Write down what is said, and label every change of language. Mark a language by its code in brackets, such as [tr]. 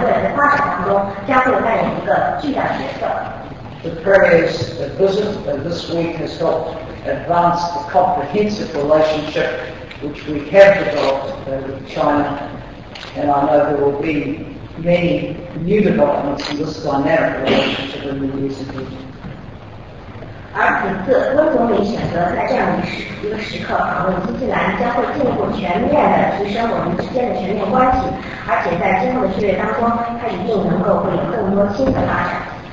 [zh] 中国是一个正在进行快速发展的大规模发展的国家，我们认为中国在新西兰的未来岁月当中，在新西兰未来的发展当中将会扮演一个巨大角色。 [en] The Premier's visit this week has helped advance the comprehensive relationship which we have developed with China, and I know there will be many new developments in this dynamic relationship in the years to come. [zh] 而此次温总理选择在这样一个时刻访问新西兰，将会进一步全面地提升我们之间的全面关系，而且在今后的岁月当中，它一定能够会有更多新的发展。